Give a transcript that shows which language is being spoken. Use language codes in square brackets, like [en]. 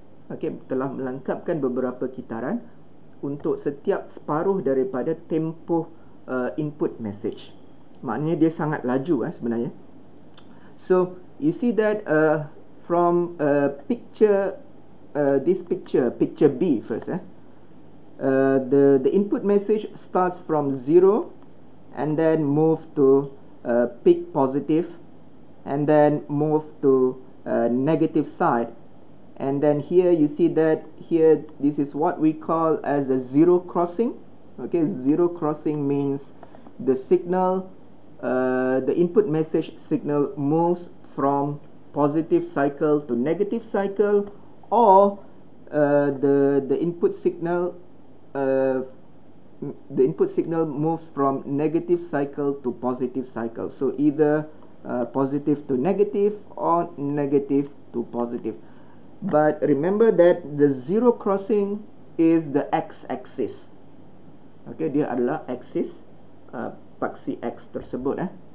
[ms] Okay, telah melengkapkan beberapa kitaran untuk setiap separuh daripada tempoh input message. Maknanya dia sangat laju sebenarnya. [en] So, you see that from picture, this picture, picture B first. The input message starts from zero, and then move to peak positive, and then move to negative side. And then here you see that here, this is what we call as a zero crossing. Okay, zero crossing means the signal, the input message signal moves from positive cycle to negative cycle, or the input signal the input signal moves from negative cycle to positive cycle. So either positive to negative or negative to positive. But remember that the zero crossing is the x-axis. [ms] Okay, dia adalah axis paksi x tersebut.